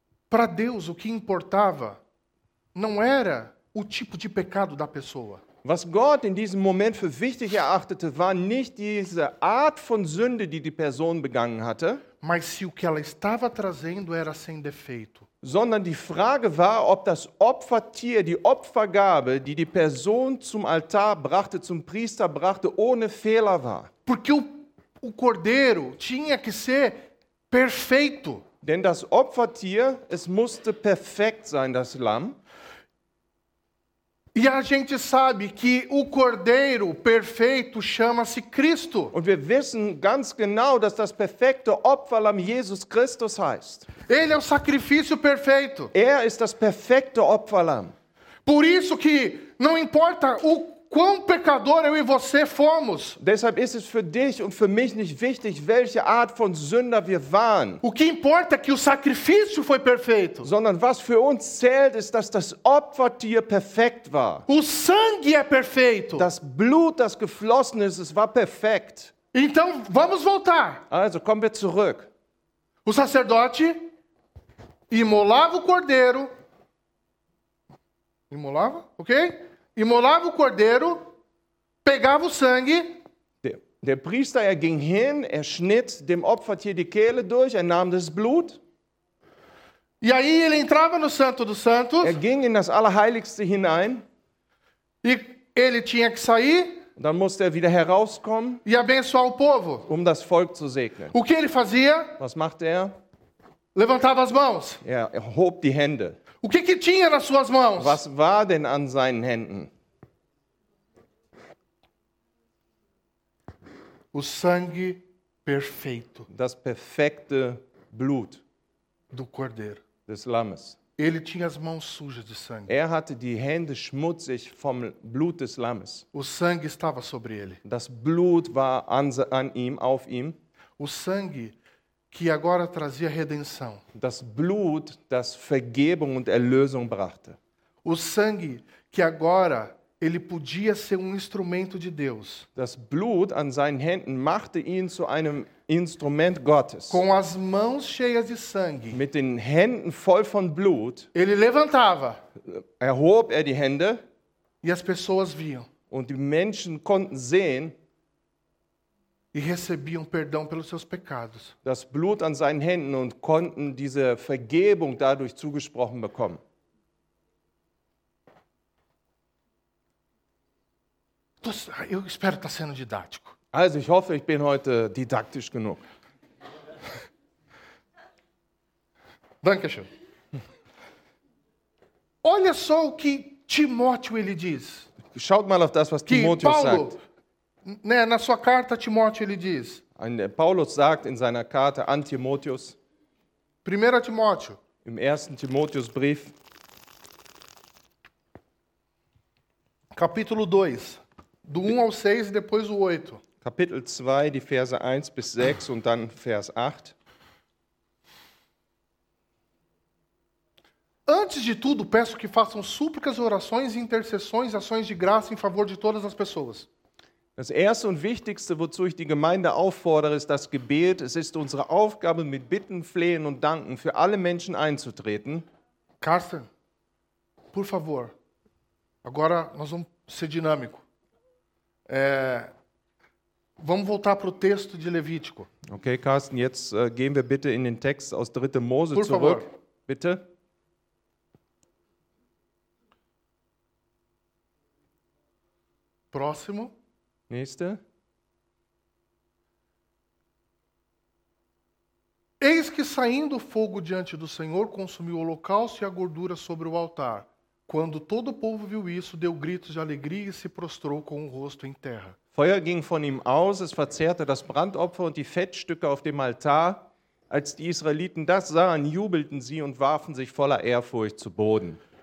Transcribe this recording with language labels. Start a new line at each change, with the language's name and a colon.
Portuguese: Para Deus, o que importava não era o tipo de pecado da pessoa.
German: Was Gott in diesem Moment für wichtig erachtete, war nicht diese Art von Sünde, die die Person begangen hatte.
Portuguese: Mas se o que ela estava trazendo era sem defeito.
German: Sondern die Frage war, ob das Opfertier, die Opfergabe, die die Person zum Altar brachte, zum Priester brachte, ohne Fehler war.
Portuguese: Porque o cordeiro tinha que ser perfeito.
German: Denn das Opfertier, es musste perfekt sein, das Lamm.
Portuguese: E a gente sabe que o cordeiro perfeito chama-se Cristo.
German: Und wir wissen ganz genau, dass das perfekte Opferlamm Jesus Christus heißt.
Portuguese: Ele é o sacrifício perfeito.
German: Ist das perfekte Opferlamm.
Portuguese: Por isso que não importa o quão pecador eu e você fomos.
German: Deshalb ist es für dich und für mich nicht wichtig, welche Art von Sünder wir waren.
Portuguese: O que importa é que o sacrifício foi perfeito.
German: Sondern was für uns zählt, ist, dass das Opfertier perfekt war.
Portuguese: O sangue é perfeito.
German: Das Blut, das geflossen ist, es war perfekt.
Portuguese: Então, vamos voltar.
German: Also, kommen wir zurück.
Portuguese: O sacerdote imolava o cordeiro. Imolava, ok? Imolava o cordeiro, pegava o sangue.
German: Der Priester, ging hin, schnitt dem Opfertier die Kehle durch, nahm das Blut.
Portuguese: E aí ele entrava no Santo dos Santos.
German: Ging in das Allerheiligste hinein.
Portuguese: E ele tinha que sair.
German: Dann musste wieder herauskommen.
Portuguese: E abençoar o povo.
German: Das Volk zu segnen.
Portuguese: O que ele fazia?
German: Was machte
Portuguese: Levantava as mãos.
German: Hob die Hände.
Portuguese: O que tinha nas suas mãos?
German: Was war denn an seinen Händen?
Portuguese: O sangue perfeito.
German: Das perfekte Blut.
Portuguese: Do cordeiro.
German: Des Lammes.
Portuguese: Ele tinha as mãos sujas de sangue.
German: Hatte die Hände schmutzig vom Blut des Lammes.
Portuguese: O sangue estava sobre ele.
German: Das Blut war an ihm, auf ihm.
Portuguese: O sangue que agora trazia redenção.
German: Das Blut, das Vergebung und Erlösung brachte.
Portuguese: O sangue que agora ele podia ser instrumento de Deus.
German: Das Blut an seinen Händen machte ihn zu einem Instrument Gottes.
Portuguese: Com as mãos cheias de sangue.
German: Mit den Händen voll von Blut.
Portuguese: Ele levantava.
German: Erhob die Hände.
Portuguese: E as pessoas viam.
German: Und die Menschen konnten sehen.
Portuguese: E recebiam perdão pelos seus pecados.
German: Das Blut an seinen Händen und konnten diese Vergebung dadurch zugesprochen bekommen.
Portuguese: Eu espero estar sendo didático.
German: Also, ich hoffe, ich bin heute didaktisch genug. Danke schön.
Portuguese: Olha só o que Timóteo ele diz.
German: Schaut mal auf das, was Timotheus sagt.
Portuguese: Né, na sua carta Timóteo ele diz.
German: Paulus sagt in seiner Karte an Timotheus.
Portuguese: 1. Timóteo.
German: Im 1. Timotheusbrief. Kapitel 2.
Portuguese: Do 1 ao 6 e depois o 8.
German: Kapitel 2, die Verse 1 bis 6 und dann Vers 8.
Portuguese: Antes de tudo, peço que façam súplicas, orações, intercessões, ações de graça em favor de todas as pessoas.
German: Das erste und wichtigste, wozu ich die Gemeinde auffordere, ist das Gebet. Es ist unsere Aufgabe, mit Bitten, Flehen und Danken für alle Menschen einzutreten.
Portuguese: Carsten, por favor, agora nós vamos ser dinâmico. Vamos voltar para o texto de Levítico.
German: Ok, Carsten, jetzt gehen wir bitte in den Text aus 3. Mose
Portuguese: por
German: zurück.
Portuguese: Favor.
German: Bitte.
Portuguese: Próximo.
German: Nächste.
Portuguese: Eis que saindo o fogo diante do Senhor, consumiu o holocausto e a gordura sobre o altar. Quando todo o povo viu isso, deu gritos de alegria e se prostrou com o rosto em terra.
German: Feuer ging von ihm aus, es verzehrte das Brandopfer und die Fettstücke auf dem Altar. Als die Israeliten das sahen, jubelten sie und warfen sich voller Ehrfurcht zu Boden.